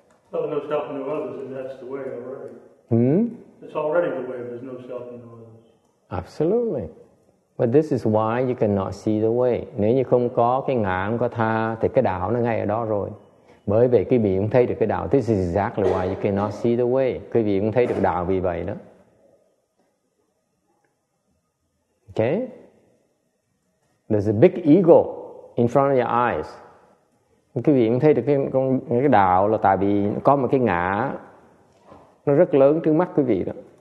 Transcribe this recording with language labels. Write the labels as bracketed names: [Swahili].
[English] So no self and no others, and that's the way already. It's already the way. There's no self and no others. Absolutely. But this is why you cannot see the way. [Vietnamese] Nếu như không có cái ngã, không có tha, thì cái đạo nó ngay ở đó rồi. Bởi vì quý vị không thấy được cái đạo. [English] This is exactly why you cannot see the way. [Vietnamese] Quý vị không thấy được đạo vì vậy đó. [English] Okay? There's a big ego in front of your eyes. [Vietnamese] Quý vị không thấy được cái đạo là tại vì có một cái ngã nó rất lớn trước mắt quý vị đó.